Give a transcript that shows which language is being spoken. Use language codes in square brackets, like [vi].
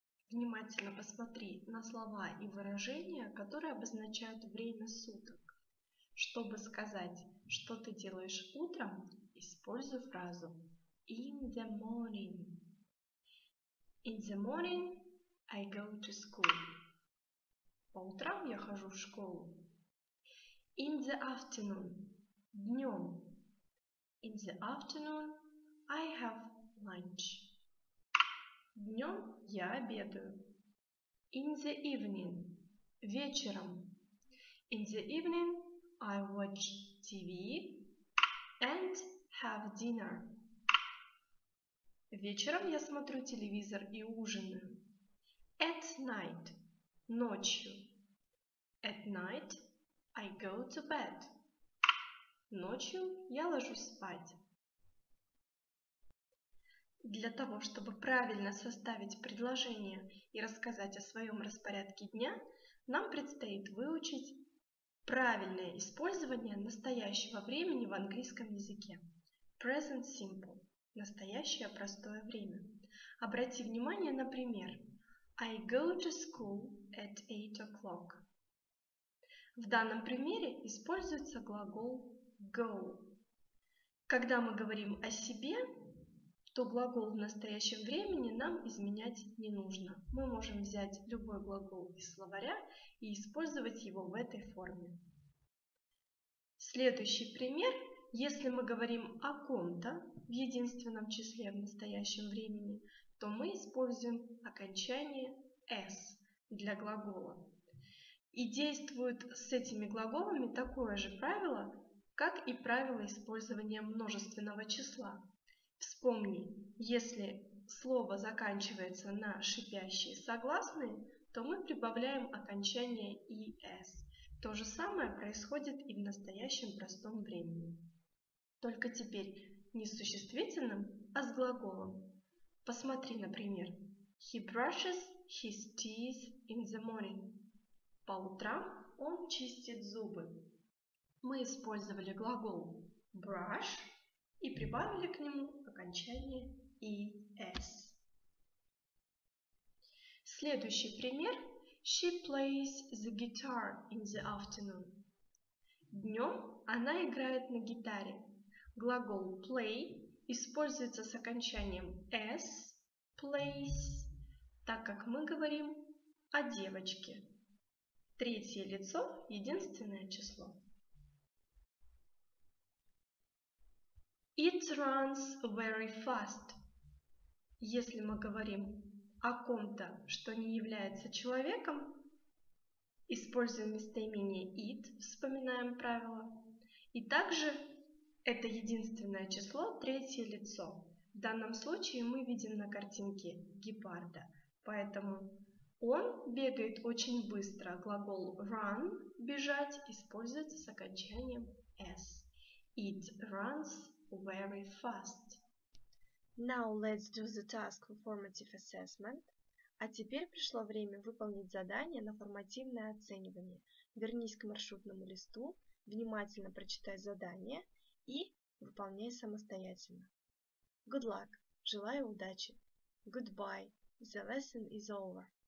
[ru] Внимательно посмотри на слова и выражения, которые обозначают время суток. Чтобы сказать, что ты делаешь утром, используй фразу [en] in the morning. In the morning I go to school. [ru] По утрам я хожу в школу. [en] In the afternoon. [ru] Днем. [en] In the afternoon, I have lunch. [ru] Днем я обедаю. [en] In the evening. [ru] Вечером. [en] In the evening, I watch TV and have dinner. [ru] Вечером я смотрю телевизор и ужинаю. [en] At night. [ru] Ночью. [en] At night, I go to bed. [ru] Ночью я ложусь спать. Для того, чтобы правильно составить предложение и рассказать о своем распорядке дня, нам предстоит выучить правильное использование настоящего времени в английском языке. [en] Present simple [ru] – настоящее простое время. Обрати внимание на пример. [en] I go to school at 8 o'clock. [ru] В данном примере используется глагол go. Когда мы говорим о себе, то глагол в настоящем времени нам изменять не нужно. Мы можем взять любой глагол из словаря и использовать его в этой форме. Следующий пример. Если мы говорим о ком-то в единственном числе в настоящем времени, то мы используем окончание s для глагола. И действует с этими глаголами такое же правило, как и правило использования множественного числа. Вспомни, если слово заканчивается на шипящие согласные, то мы прибавляем окончание es. То же самое происходит и в настоящем простом времени. Только теперь не с существительным, а с глаголом. Посмотри, например, [en] he brushes his teeth in the morning. [ru] По утрам он чистит зубы. Мы использовали глагол brush и прибавили к нему окончание es. Следующий пример. [en] She plays the guitar in the afternoon. [ru] Днем она играет на гитаре. Глагол play используется с окончанием s, plays, так как мы говорим о девочке. Третье лицо – единственное число. [en] It runs very fast. [ru] Если мы говорим о ком-то, что не является человеком, используем местоимение it, вспоминаем правило, и также это единственное число, третье лицо. В данном случае мы видим на картинке гепарда, поэтому он бегает очень быстро. Глагол run, бежать, используется с окончанием s. [en] It runs very fast. Now let's do the task for formative assessment. [ru] А теперь пришло время выполнить задание на формативное оценивание. Вернись к маршрутному листу, внимательно прочитай задание и выполняй самостоятельно. [en] Good luck! [ru] Желаю удачи! [en] Goodbye! The lesson is over!